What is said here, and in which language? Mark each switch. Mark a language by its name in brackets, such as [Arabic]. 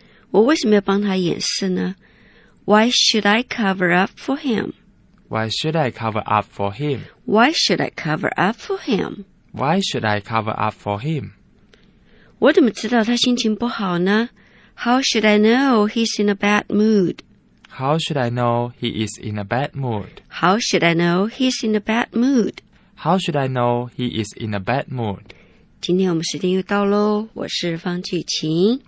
[Chinese] 我为什么要帮他掩饰呢? [English] Why should I cover up for him? Why should I cover up for him? Why should I cover up for him? Why should I cover up for him? [Chinese] 我怎么知道他心情不好呢? [English] How should I know he's in a bad mood? How should I know he is in a bad mood? How should I know he's in a bad mood? How should I know he is in a bad mood? [Chinese] 今天我们时间又到喽，我是方巨琴，